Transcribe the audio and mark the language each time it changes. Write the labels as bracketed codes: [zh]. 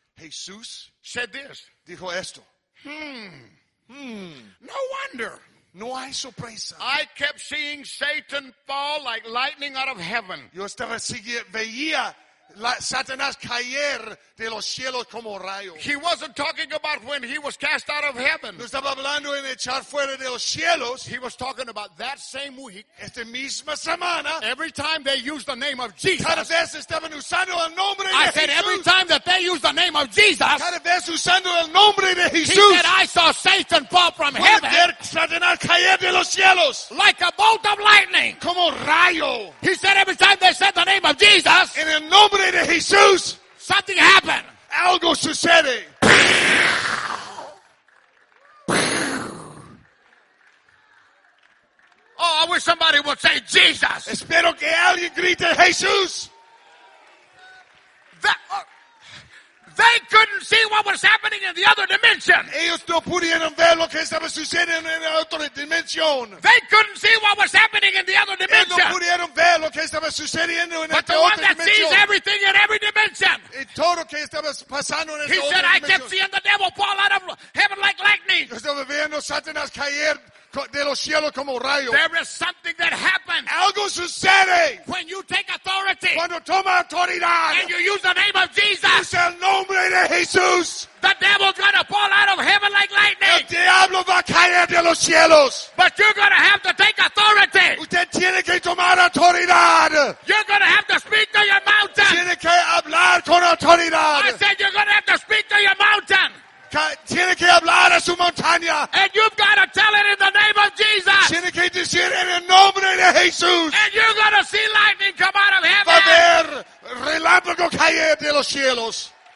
[es] Jesús. [en] Said this. [es] Dijo esto. [en] No wonder. [es] No hay sorpresa. [en] I kept seeing Satan fall like lightning out of heaven. [es] Yo estaba siguiendo, veía Satanás caer de los cielos como rayo. [en] He wasn't talking about when he was cast out of heaven. [es] No estaba hablando en echar fuera de los cielos. [en] He was talking about that same week. [es] Esta misma semana. [en] Every time they used the name of Jesus. [es] Cada vez estaban usando el nombre de [en] Jesús. I said every time that they used the name of Jesus. [es] Cada vez usando el nombre de Jesús. [en] He said I saw Satan fall from heaven. [es] Ver Satanás caer de los cielos. [en] Like a bolt of lightning. [es] Como rayo. [en] He said every time they said the name of Jesus. [es] En el nombre de Jesús, [en] something happened. [es] Algo sucede. [en] Oh, I wish somebody would say Jesus. [es] Espero que alguien grite Jesús. [en] They couldn't see what was happening in the other dimension. [es] Ellos no pudieron ver lo que estaba sucediendo en la otra dimensión. [en] They couldn't see what was happening in the other dimension. [es] Ellos no pudieron ver lo que estaba sucediendo en la otra dimensión. [en] But the one that sees everything in every dimension. [es] Y todo lo que estaba pasando en esa otra dimensión. [en] He said, I kept seeing the devil fall out of heaven like lightning. [es] Yo estaba viendo Satanás caer de los cielos como rayo. [en] There is something that happens. [es] Algo sucede. [en] When you take authority. [es] Cuando toma autoridad. [en] And you use the name of Jesus. [es] Usa el nombre de Jesús. [en] The devil's gonna fall out of heaven like lightning. [es] El diablo va a caer de los cielos. [en] But you're gonna have to take authority. [es] Usted tiene que tomar autoridad. [en] You're gonna have to speak to your mountain. [es] Tiene que hablar con autoridad. [en] I said you're gonna have to speak to your mountain. [es] Tiene que hablar a su montaña. [en] And you've got to tell it in the name of Jesus. [es] Tiene que decir en el nombre de Jesús. [en] And you're going to see lightning come out of heaven. [es] Va a ver relámpago caer de los cielos.